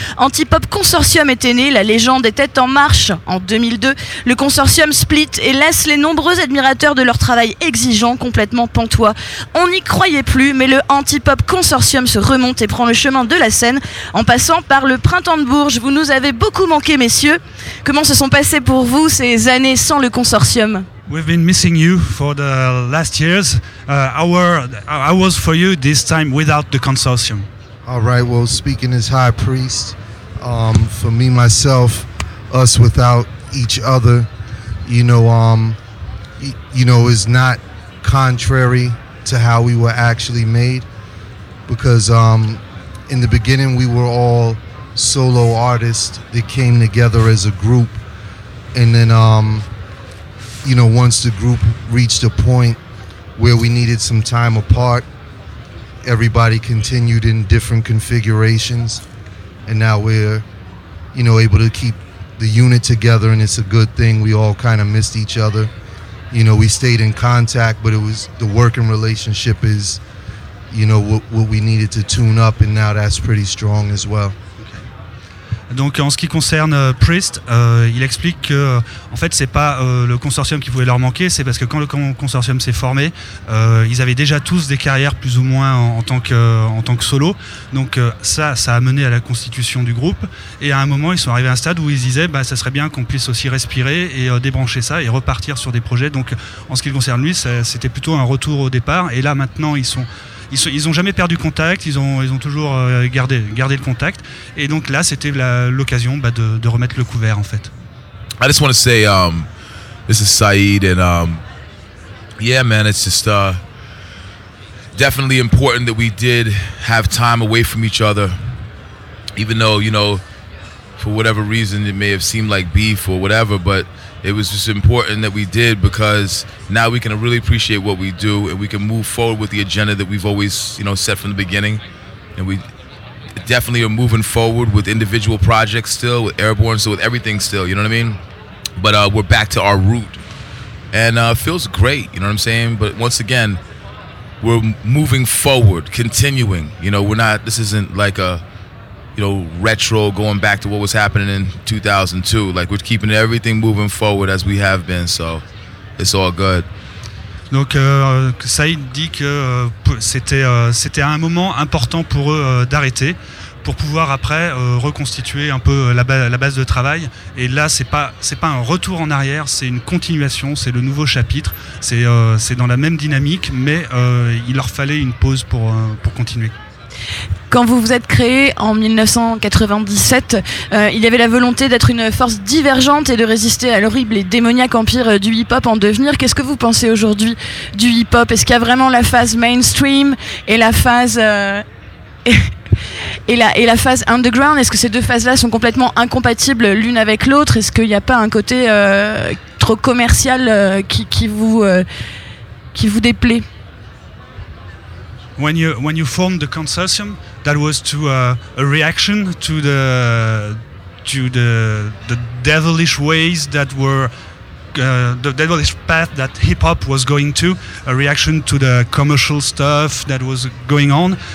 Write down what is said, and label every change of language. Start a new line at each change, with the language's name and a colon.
French: Antipop Consortium était né, la légende était en marche. En 2002, le consortium split et laisse les nombreux admirateurs de leur travail exigeant complètement pantois. On n'y croyait plus, mais le Antipop Consortium se remonte et prend le chemin de la scène en passant par le Printemps de Bourges. Vous nous avez beaucoup manqué, messieurs. Comment se sont passées pour vous ces années sans le consortium ?
English: We've been missing you for the last years. I was for you this time without the consortium. All right, well, speaking as high priest, for me, myself, us without each other, you know, is not contrary to how we were actually made, because in the beginning, we were all solo artists that came together as a group, and then... you know, once the group reached a point where we needed some time apart, everybody continued in different configurations, and now we're, you know, able to keep the unit together, and it's a good thing. We all kind of missed each other. You know, we stayed in contact, but it was the working relationship is, you know, what we needed to tune up, and now that's pretty strong as well.
French: Donc en ce qui concerne Priest, il explique que en fait c'est pas le consortium qui pouvait leur manquer, c'est parce que quand le consortium s'est formé, ils avaient déjà tous des carrières plus ou moins en tant que solo. Donc ça a mené à la constitution du groupe, et à un moment ils sont arrivés à un stade où ils disaient bah ça serait bien qu'on puisse aussi respirer et débrancher ça et repartir sur des projets. Donc en ce qui concerne lui, c'était plutôt un retour au départ, et là maintenant ils ont jamais perdu contact, ils ont toujours gardé le contact. Et donc là, c'était l'occasion de remettre le couvert, en fait.
English: I just want to say, this is Saeed, and yeah, man, it's just definitely important that we did have time away from each other. Even though, you know, for whatever reason, it may have seemed like beef or whatever, but it was just important that we did, because now we can really appreciate what we do, and we can move forward with the agenda that we've always, you know, set from the beginning. And we definitely are moving forward with individual projects still, with Airborne, so with everything still, you know what I mean? But we're back to our root, and it feels great, you know what I'm saying? But once again, we're moving forward, continuing, you know, this isn't like a, you know, retro, going back to what was happening in 2002. Like, we're keeping everything moving forward as we have been, so it's all good.
French: Donc Saïd dit que c'était un moment important pour eux d'arrêter, pour pouvoir après reconstituer un peu la base de travail. Et là, c'est pas un retour en arrière, c'est une continuation, c'est le nouveau chapitre, c'est dans la même dynamique, mais il leur fallait une pause pour continuer. Quand vous vous êtes créé en 1997, il y avait la volonté d'être une force divergente et de résister à l'horrible et démoniaque empire du hip-hop en devenir. Qu'est-ce que vous pensez aujourd'hui du hip-hop ? Est-ce qu'il y a vraiment la phase mainstream et la phase, et la phase underground ? Est-ce que ces deux phases-là sont complètement incompatibles l'une avec l'autre ? Est-ce qu'il n'y a pas un côté trop commercial qui vous déplaît ?
English: When you formed the consortium, that was to a reaction to the devilish ways that were the devilish path that hip hop was going to, a reaction to the commercial stuff that was going on.